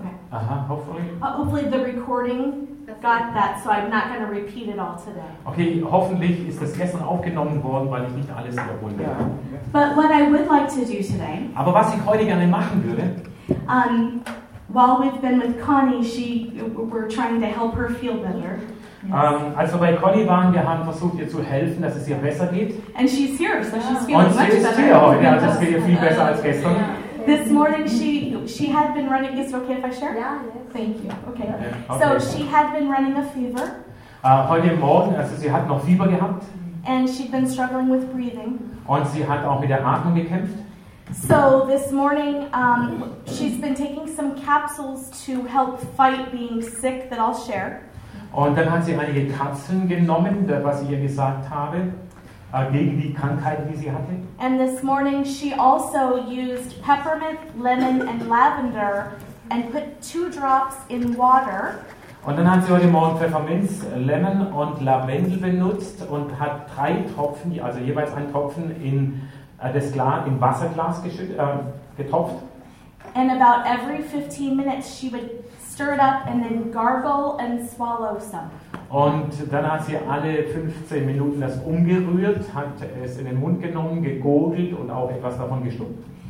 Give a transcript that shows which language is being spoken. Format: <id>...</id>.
<en>Hopefully the recording got that, so I'm not going to repeat it all today.</en> <de>Okay, hoffentlich ist das gestern aufgenommen worden, weil ich nicht alles wiederholen werde.</de> <en>Yeah. But what I would like to do today.</en> <de>Aber was ich heute gerne machen würde.</de> <en>While we've been with Connie, we're trying to help her feel better.</en> <de>Also bei Connie waren, wir haben versucht, ihr zu helfen, dass es ihr besser geht.</de> <en>And she's here, so she's feeling much better.</en> <de>Und sie ist hier heute, also es geht ihr viel besser als gestern.</de> <en>Yeah. This morning she had been running. Is it okay if I share? Yeah. Thank you. Okay. Yeah, okay. So she had been running a fever.</en> <de>Heute Morgen, also sie hat noch Fieber gehabt.</de> <en>And she'd been struggling with breathing.</en> <de>Und sie hat auch mit der Atmung gekämpft.</de> <en>So this morning she's been taking some capsules to help fight being sick that I'll share.</en> <de>Und dann hat sie einige Kapseln genommen, was ich ihr gesagt habe. Gegen die Krankheiten, die sie hatte.</de> <en>And this morning she also used peppermint, lemon and lavender and put 2 drops in water.</en> <de>Und dann hat sie heute Morgen Pfefferminz, Lemon und Lavendel benutzt und hat 3 Tropfen, also jeweils 1 Tropfen in das Glas, im Wasserglas getropft.</de> <en>And about every 15 minutes she would stir it up and then gargle and swallow some.</en> <de>Und dann hat sie alle 15 Minuten das umgerührt, hat es in den Mund genommen, gegurgelt und auch etwas davon geschluckt.</de>